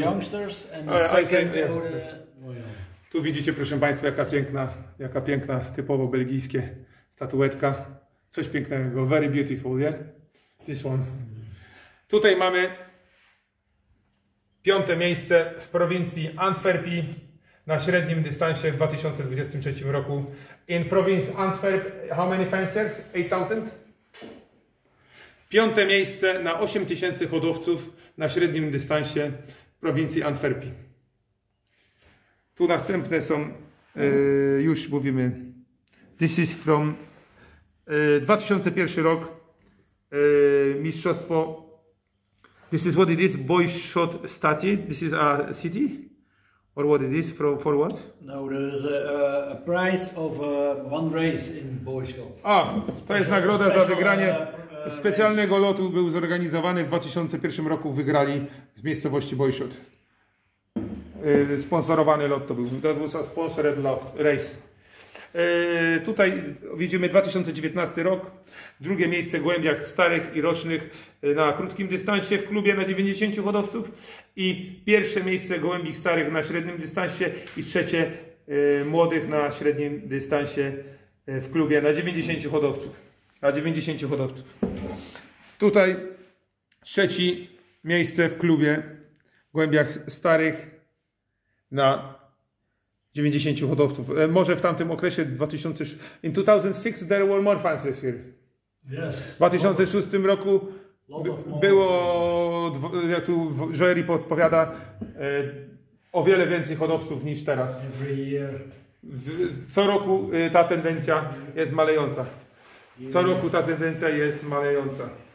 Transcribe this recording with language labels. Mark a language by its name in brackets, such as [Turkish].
[English] Youngsters and the second said, older... [Polish] Tu widzicie, proszę Państwa, jaka piękna, typowo belgijskie statuetka. Coś pięknego, [English] very beautiful, yeah? This one. [Polish] Tutaj mamy piąte miejsce w prowincji Antwerpii na średnim dystansie w 2023 roku. [English] In province Antwerp, how many fencers? 8000? [Polish] Piąte miejsce na 8000 hodowców na średnim dystansie w prowincji Antwerpii. Tu następne są, już mówimy, [English] this is from 2001 [Polish] rok, mistrzostwo, [English] this is what it is, boys shot study, this is a city, or what it is, for what? No, there is a prize of one race in boys shot. [Polish] A, to jest nagroda za wygranie specjalnego lotu, był zorganizowany w 2001 roku, wygrali z miejscowości boys shot. Sponsorowany lot to był. [English] That was a sponsored loft race. [Polish] Tutaj widzimy 2019 rok. Drugie miejsce w gołębiach starych i rocznych na krótkim dystansie w klubie na 90 hodowców. I pierwsze miejsce gołębi starych na średnim dystansie. I trzecie młodych na średnim dystansie w klubie na 90 hodowców. Na 90 hodowców. Tutaj trzecie miejsce w klubie w gołębiach starych na 90 hodowców. Może w tamtym okresie 2006. [English] In 2006 there were more fences here. Yes. [Polish] W 2006 roku było, jak tu Joeri podpowiada, o wiele więcej hodowców niż teraz. [English] Every year. [Polish] Co roku ta tendencja jest malejąca. Co roku ta tendencja jest malejąca.